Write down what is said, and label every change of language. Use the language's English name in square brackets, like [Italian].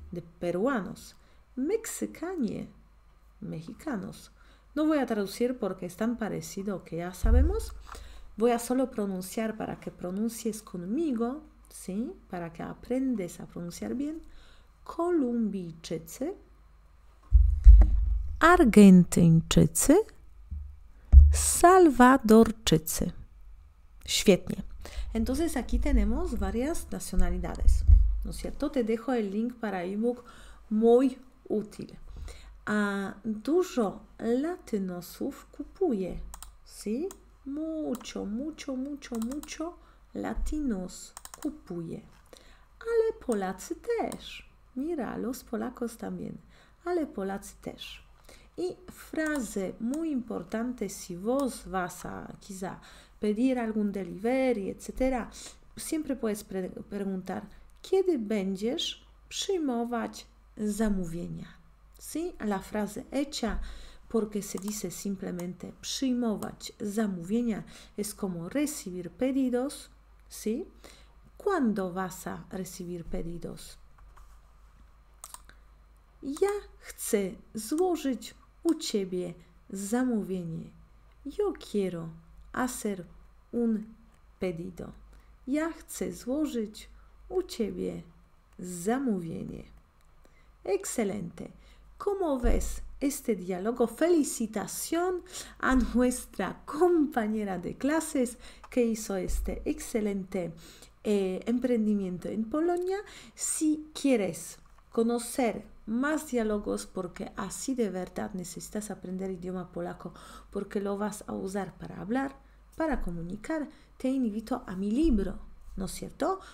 [Spanish] De peruanos. Mexicanie, mexicanos. No voy a traducir porque es tan parecido que ya sabemos. Voy a solo pronunciar para que pronuncies conmigo, ¿sí? Para que aprendes a pronunciar bien. [Polish] Columbichitze. Argentyńczycy, Salvadorczycy. Świetnie. [Spanish] Entonces aquí tenemos varias nacionalidades, ¿no es cierto? Te dejo el link para ebook muy útil. [Polish] Dużo latynosów kupuje, ¿sí? [Spanish] Mucho, mucho, mucho, mucho latinos [Polish] kupuje. Ale Polacy też. [Spanish] Mira, los polacos también. [Polish] Ale Polacy też. [Spanish] Y frase muy importante, si vos vas a quizá pedir algún delivery, etcétera, siempre puedes preguntar, [Polish] ¿kiedy będziesz przyjmować zamówienia? [Spanish] ¿Sí? La frase hecha, porque se dice simplemente [Polish] przyjmować zamówienia, [Spanish] es como recibir pedidos, ¿sí? ¿Cuándo vas a recibir pedidos? [Polish] Ja chcę złożyć u ciebie zamówienie. [Spanish] Yo quiero hacer un pedido. [Polish] Ja chcę złożyć u ciebie zamówienie. [Spanish] Excelente. ¿Cómo ves este diálogo? Felicitación a nuestra compañera de clases que hizo este excelente emprendimiento en Polonia. Si quieres conocer más diálogos porque así de verdad necesitas aprender idioma polaco porque lo vas a usar para hablar, para comunicar, te invito a mi libro, ¿no es cierto?